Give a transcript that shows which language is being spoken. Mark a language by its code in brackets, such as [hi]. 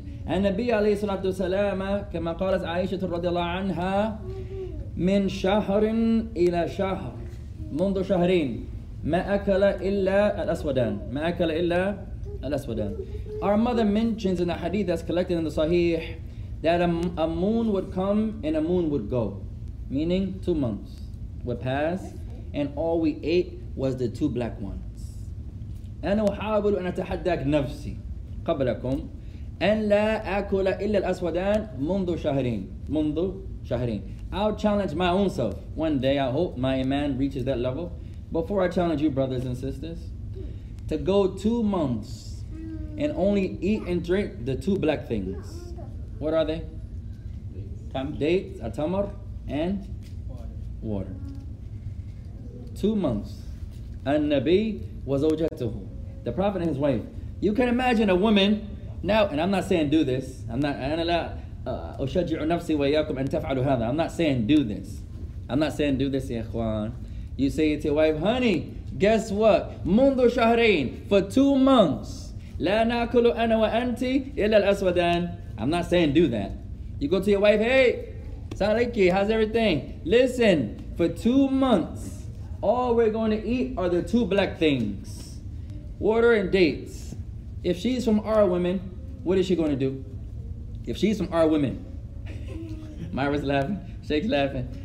[ar] النبي عليه الصلاة والسلام كما قالت عائشة رضي الله عنها من شهر إلى شهر منذ شهرين ما أكل إلا الأسودان [en] Our mother mentions in the hadith that's collected in the Sahih that a moon would come and a moon would go, meaning 2 months would pass and all we ate was the two black ones. [ar] أنا أحاول أن أتحداك نفسي قبلكم أن لا أكل إلا الأسودان منذ شهرين [en] I'll challenge my own self. One day I hope my iman reaches that level. Before I challenge you brothers and sisters to go 2 months and only eat and drink the two black things. What are they? Dates, atamar, and water. 2 months. [ar] النبي وزوجته. [en] The Prophet and his wife. You can imagine a woman. Now, and I'm not saying do this. I'm not saying do this, ya ikhwan. You say to your wife, honey, guess what? [ar] منذ شهرين, [en] for 2 months, [ar] لا نأكل أنا وأنت إلا الأسودان. [en] I'm not saying do that. You go to your wife, hey, Saliki, how's everything? Listen, for 2 months, all we're going to eat are the two black things, water and dates. If she's from our women, what is she going to do? If she's from our women, Myra's laughing, Sheikh's laughing.